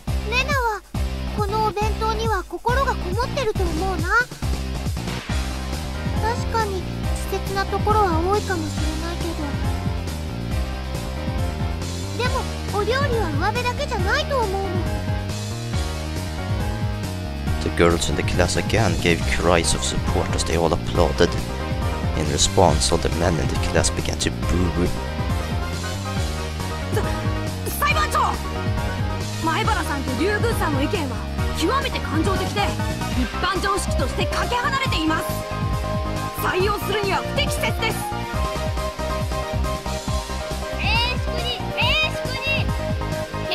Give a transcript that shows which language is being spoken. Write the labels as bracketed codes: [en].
[ja] レナはこのお弁当には心がこもってると思うな。確かに素敵なところは多いかもしれないけど、でもお料理は上辺だけじゃないと思うの。 [en] The girls in the class again gave cries of support as they all applauded. In response, all the men in the class began to boo. [ja] The裁判長! 前原さんと竜宮さんの意見は極めて感情的で、一般常識としてかけ離れています。採用するには不適切です。静粛に、静粛に。